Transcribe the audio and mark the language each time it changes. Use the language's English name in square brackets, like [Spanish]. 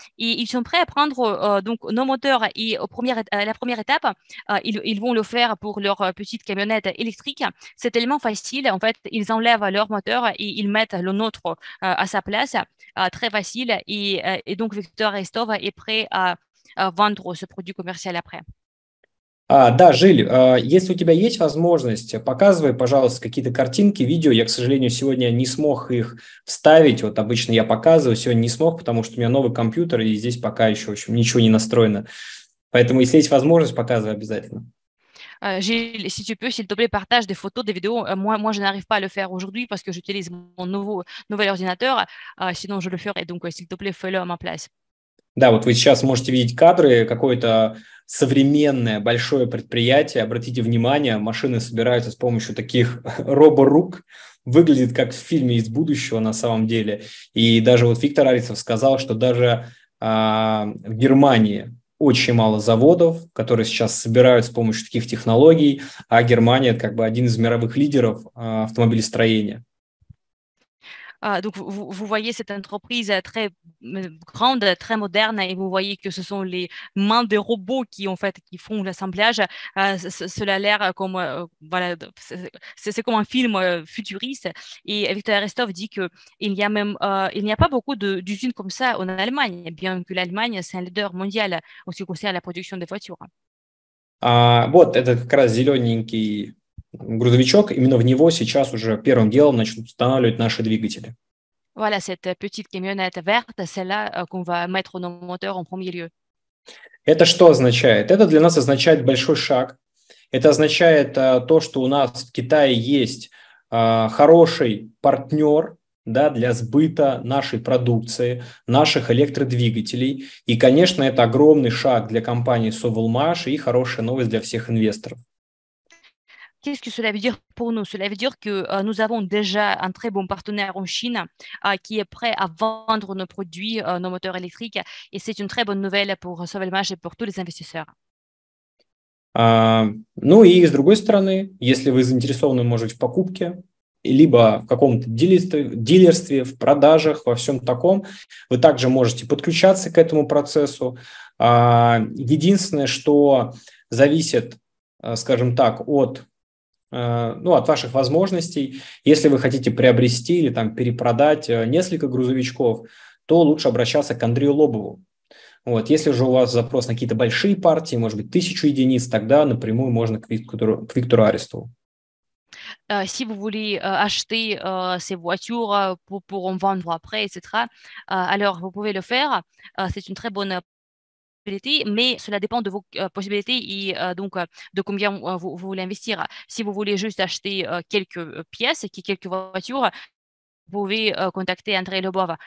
[French] Et ils sont prêts à prendre donc, nos moteurs. Et la première étape, ils vont le faire pour leur petite camionnette électrique. C'est tellement facile. En fait, ils enlèvent leur moteur et ils mettent le nôtre à sa place. Très facile. Et donc, Victor Aristov est prêt à vendre ce produit commercial après. [Russian] Да, Жиль, если у тебя есть возможность, показывай, пожалуйста, какие-то картинки, видео. Я, к сожалению, сегодня не смог их вставить. Вот обычно я показываю, сегодня не смог, потому что у меня новый компьютер, и здесь пока еще, в общем, ничего не настроено. Поэтому, если есть возможность, показывай обязательно. [French] Жиль, si tu peux, s'il te plaît, partage des photos, des vidéos. Moi, je n'arrive pas à le faire aujourd'hui parce que j'utilise mon nouvel ordinateur. Sinon, je le ferai. Donc, s'il te plaît, fais-le à ma place. [Russian] Да, вот вы сейчас можете видеть кадры, какое-то современное большое предприятие. Обратите внимание, машины собираются с помощью таких роборук. Выглядит как в фильме из будущего на самом деле. И даже вот Виктор Арисов сказал, что даже в Германии очень мало заводов, которые сейчас собирают с помощью таких технологий, а Германия как бы один из мировых лидеров автомобилестроения. [French] Donc, vous voyez cette entreprise très grande, très moderne, et vous voyez que ce sont les mains des robots qui, en fait, qui font l'assemblage. Cela a l'air comme, voilà, c'est comme un film futuriste. Et Victor Restov dit qu'il y a même, il n'y a pas beaucoup d'usines comme ça en Allemagne, bien que l'Allemagne, c'est un leader mondial en ce qui concerne la production des voitures. [Russian] Вот это как раз зелененький грузовичок, именно в него сейчас уже первым делом начнут устанавливать наши двигатели. [French] Voilà cette petite camionnette verte, celle-là qu'on va mettre nos moteurs en premier lieu. [Russian] Это что означает? Это для нас означает большой шаг. Это означает то, что у нас в Китае есть хороший партнер. Да, для сбыта нашей продукции, наших электродвигателей. И, конечно, это огромный шаг для компании Sovelmash и хорошая новость для всех инвесторов. [French] Qu'est-ce que cela veut dire pour nous? Cela veut dire que nous avons déjà un très bon partenaire en Chine qui est prêt à vendre nos produits, nos moteurs électriques. Et c'est une très bonne nouvelle pour Sovelmash et pour tous les investisseurs. [Russian] Ну и с другой стороны, если вы заинтересованы, может быть, в покупке, либо в каком-то дилерстве, в продажах, во всем таком, вы также можете подключаться к этому процессу. Единственное, что зависит, скажем так, от ваших возможностей, если вы хотите приобрести или там перепродать несколько грузовичков, то лучше обращаться к Андрею Лобову. Вот, если же у вас запрос на какие-то большие партии, может быть, 1000 единиц, тогда напрямую можно к Виктору Арестову. [French] Si vous voulez acheter ces voitures pour en vendre après, etc., alors vous pouvez le faire. C'est une très bonne possibilité, mais cela dépend de vos possibilités et donc de combien vous voulez investir. Si vous voulez juste acheter quelques pièces, quelques voitures, vous pouvez contacter André Lobov.